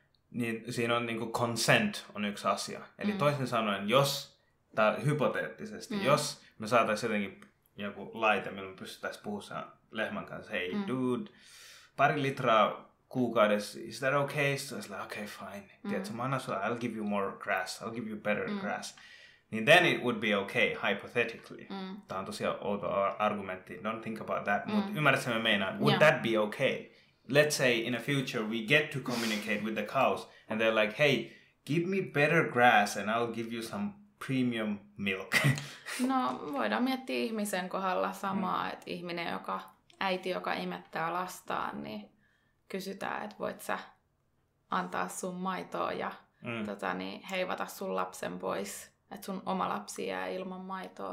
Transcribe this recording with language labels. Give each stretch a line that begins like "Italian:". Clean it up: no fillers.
Finnish: Niin siinä on niin kuin consent on yksi asia. Eli toisin sanoen, jos, tai hypoteettisesti, jos me saataisiin jotenkin joku laite, millä me pystyttäisiin puhumaan lehmän kanssa, hei dude, pari litraa kuukaudessa,
English: is that okay? So it's like, okay, fine.
Finnish: Tiedätkö, mä annan sulle,
English: I'll give you more grass, I'll give you better grass. Niin then it would be okay, hypothetically.
Finnish: Tämä on tosiaan outo argumentti.
English: Don't think about that.
Finnish: Mut ymmärrätkö, mä meinaan.
English: Would that be okay? Let's say in a future we get to communicate with the cows and they're like, hey, give me better grass and I'll give you some premium milk?
Finnish: No, voidaan miettiä ihmisen kohdalla samaa, että ihminen, joka, äiti, joka imettää lastaan, niin kysytään, että voit sä antaa sun maitoa ja heivata sun lapsen pois, että sun oma lapsi jää ilman maitoa.